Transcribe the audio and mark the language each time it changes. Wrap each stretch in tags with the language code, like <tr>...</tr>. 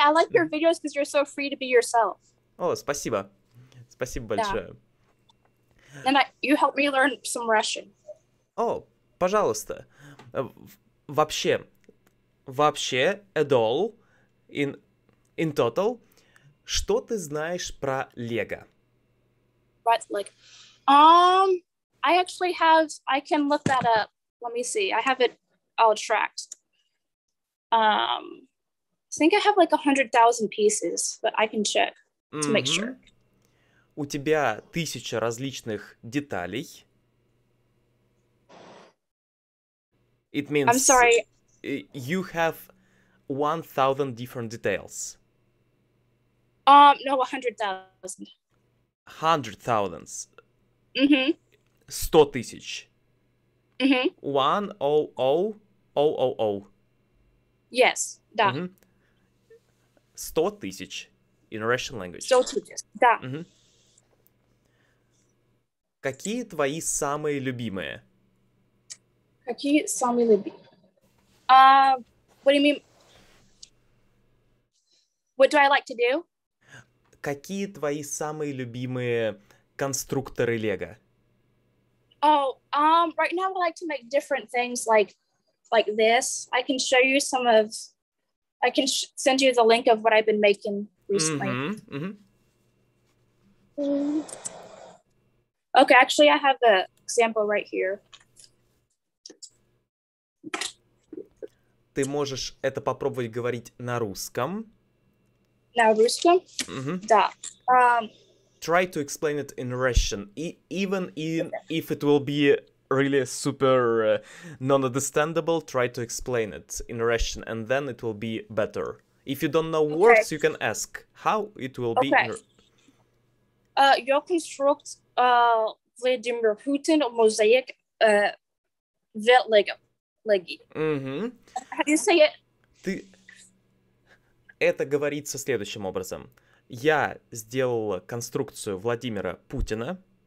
<en>I like your videos because you're so free to be yourself.</en> <ru>Oh, спасибо, спасибо большое.</ru> <en>Yeah. And you helped me learn some Russian.</en> <ru>О, пожалуйста. Вообще, вообще,</ru> <en>at all, in total,</en> <ru>что ты знаешь про Лего?</ru> <en>What, like, I actually have, I can look that up. Let me see. I have it all tracked. I think I have like 100,000 pieces, but I can check to make sure.</en> <ru>У тебя 1000 различных деталей.</ru> <en>It means I'm sorry. You have 1,000 different details. No, 100,000. 100,000. Mm-hmm. 100,000. Mm-hmm. 100,000. Yes,</en> <ru>да.</ru> <en>Mm-hmm. 100,000 in Russian language. 100,000,</en> <ru>да. Mm-hmm. Какие твои самые любимые? Какие самые любимые?</ru> <en>What do you mean? What do I like to do?</en> <ru>Какие твои самые любимые конструкторы Лего?</ru> <en>Right now I like to make different things like this. I can show you some of... I can send you the link of what I've been making recently. Mm-hmm, mm-hmm. Okay, actually, I have the example right here.</en> <ru>Ты можешь это попробовать говорить на русском. На русском? Mm-hmm. Да.</ru> <en>Try to explain it in Russian. If it will be really super non-understandable, try to explain it in Russian, and then it will be better. If you don't know words, you can ask how it will be.</en> <ru>Я конструкт Владимир Путин мозаик в Лего. Mm-hmm.</ru> <en>How do you say it?</en> <ru>Это говорится следующим образом. Я сделала конструкцию Владимира Путина.</ru>